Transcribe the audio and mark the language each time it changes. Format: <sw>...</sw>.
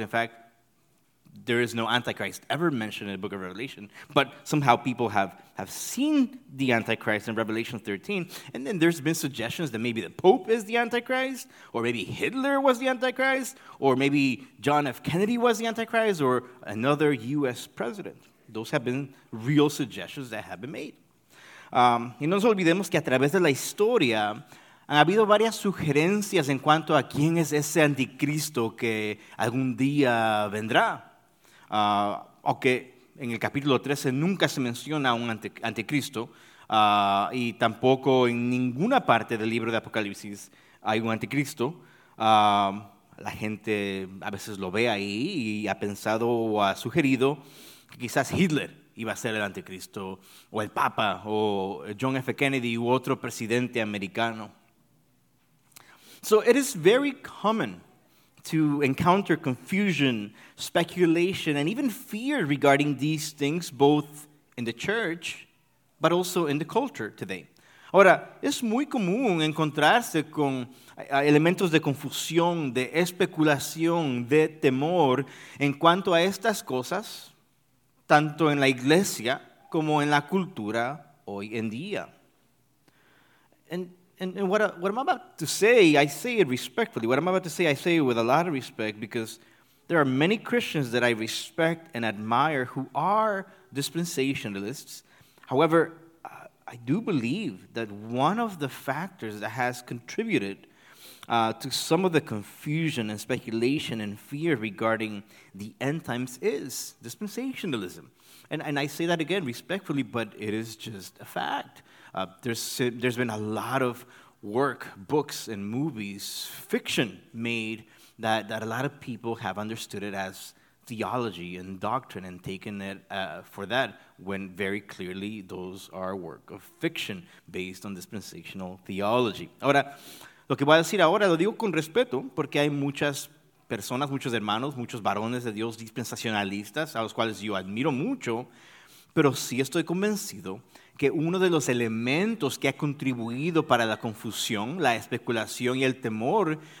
<en>In fact, there is no Antichrist ever mentioned in the book of Revelation, but somehow people have seen the Antichrist in Revelation 13, and then there's been suggestions that maybe the Pope is the Antichrist, or maybe Hitler was the Antichrist, or maybe John F. Kennedy was the Antichrist, or another U.S. president. Those have been real suggestions that have been made.</en> <es>Y no nos olvidemos que a través de la historia han habido varias sugerencias en cuanto a quién es ese anticristo que algún día vendrá. Aunque en el capítulo 13 nunca se menciona un anticristo, y tampoco en ninguna parte del libro de Apocalipsis hay un anticristo. La gente a veces lo ve ahí y ha pensado o ha sugerido que quizás Hitler iba a ser el anticristo, o el Papa, o John F. Kennedy, u otro presidente americano.</es> <en>So it is very common to encounter confusion, speculation, and even fear regarding these things, both in the church, but also in the culture today.</en> <es>Ahora, es muy común encontrarse con elementos de confusión, de especulación, de temor en cuanto a estas cosas, tanto en la iglesia como en la cultura hoy en día.</es> <en>And what I'm about to say, I say it respectfully. What I'm about to say, I say it with a lot of respect, because there are many Christians that I respect and admire who are dispensationalists. However, I do believe that one of the factors that has contributed to some of the confusion and speculation and fear regarding the end times is dispensationalism. And I say that again respectfully, but it is just a fact. There's been a lot of work, books and movies, fiction made that a lot of people have understood it as theology and doctrine and taken it for that, when very clearly those are work of fiction based on dispensational theology.</en> <es>Ahora, lo que voy a decir ahora lo digo con respeto, porque hay muchas personas, muchos hermanos, muchos varones de Dios dispensacionalistas, a los cuales yo admiro mucho, pero sí estoy convencido que uno de los elementos que ha contribuido para la confusión, la especulación y el temor</es>